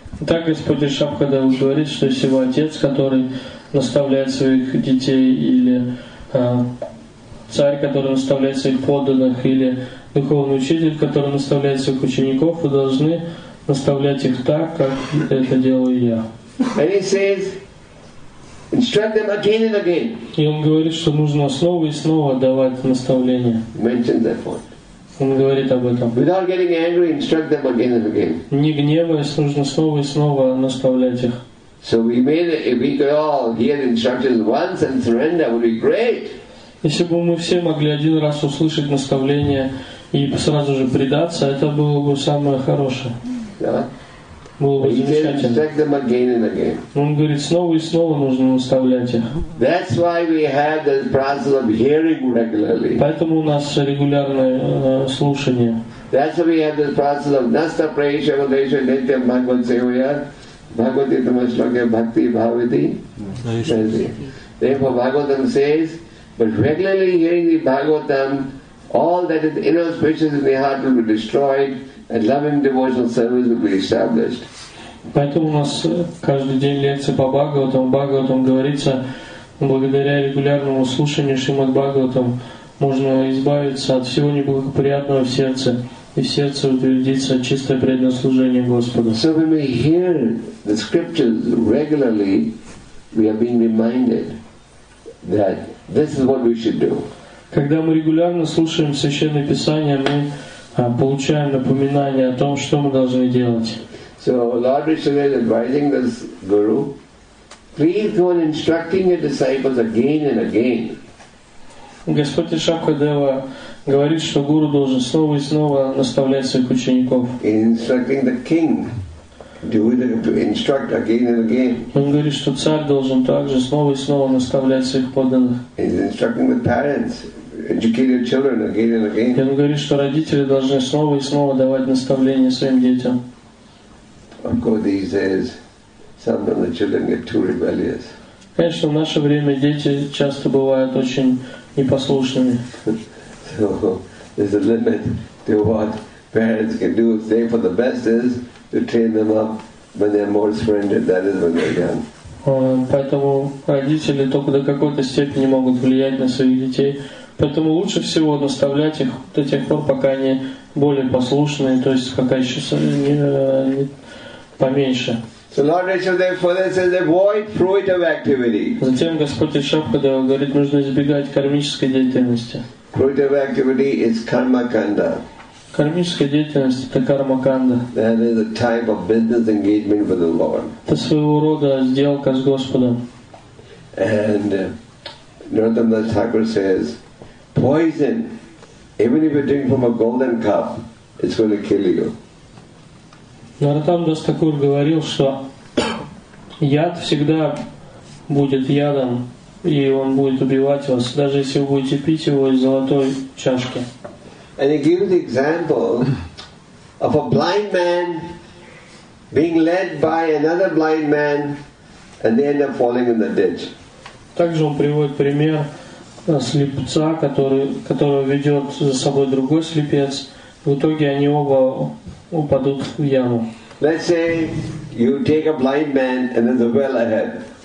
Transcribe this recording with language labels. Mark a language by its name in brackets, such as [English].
[Russian] Так Господь Ишабхадев говорит, что если вы отец, который наставляет своих детей, или царь, который наставляет своих подданных, или духовный учитель, который наставляет своих учеников, вы должны наставлять их так, как это делаю я. [English] And he says, instruct them again and again. [Russian] И он говорит, что нужно снова и снова давать наставления. [English] Mention that point. [Russian] Он говорит об этом. [English] Without getting angry, instruct them again and again. [Russian] Не гневаясь, нужно снова и снова наставлять их. [English] So if we could all hear instructions once and surrender, would be great. [Russian] Если бы мы все могли один раз услышать наставление и сразу же предаться, это было бы самое хорошее. [English] Yeah. [Russian] Было бы замечательно. [English] Instruct them again and again. [Russian] Он говорит, снова и снова нужно наставлять их. [English] That's why we have the process of hearing regularly. Поэтому у нас регулярное слушание. That's why we have the process of nasta praesha vadesha nitya bhagavad sevaya bhagavati tamashlokya bhakti bhavati. Therefore Bhagavatam says, but regularly hearing the Bhagavatam, all that is inauspicious in the heart will be destroyed and loving devotional service will be established. [Russian] Поэтому у нас каждый день лекции по Бхагаватам. Бхагаватам говорится, благодаря регулярному слушанию Шримад Бхагаватам можно избавиться от всего неблагоприятного в сердце, и в сердце утвердится чистое преданное служение Господу. [English] So when we hear the scriptures regularly, we are being reminded that this is what we should do. [Russian] Когда мы регулярно слушаем Священное Писание, мы получаем напоминание о том, что мы должны делать. [English] So Lord Rishadeva is advising this guru, please go on instructing your disciples again and again. [Russian] Господь Ишабхадева говорит, что гуру должен снова и снова наставлять своих учеников. [English] In instructing the king, to instruct again and again. [Russian] Он говорит, что царь должен также снова и снова наставлять своих подданных. [English] He's instructing the parents, educate your children again and again. [Russian] Он говорит, что родители должны снова и снова давать наставления своим детям. [English] Of course, these days, sometimes the children get too rebellious. [Russian] Конечно, в наше время дети часто бывают очень непослушными. [English] So there's a limit to what parents can do. Say for the best is to train them up when they're more surrendered. That is when they're young. [Russian] Поэтому родители только до какой-то степени могут влиять на своих детей. Поэтому лучше всего наставлять их до тех пор, пока они более послушные, то есть пока еще не поменьше. [English] So Lord Rishadeva further says, avoid fruitive activity. [Russian] Затем Господь Ишабхадева говорит, нужно избегать кармической деятельности. [English] Fruitive activity is karma kanda. [Russian] Кармическая деятельность — это карма канда. [English] That is a type of business engagement with the Lord. [Russian] Это своего рода сделка с Господом. [English] And Narottam Das Thakur says, poison, even if you drink from a golden cup, it's going to kill you. [Russian] Нарадам Дас Такур говорил, что яд всегда будет ядом, и он будет убивать вас, даже если вы будете пить его из золотой чашки. [English] And he gives the example of a blind man being led by another blind man, and they end up falling in the ditch. [Russian] Также он приводит пример слепца, которого ведет за собой другой слепец. В итоге они оба упадут в яму. [English] Let's say you take a blind man and there's a well ahead.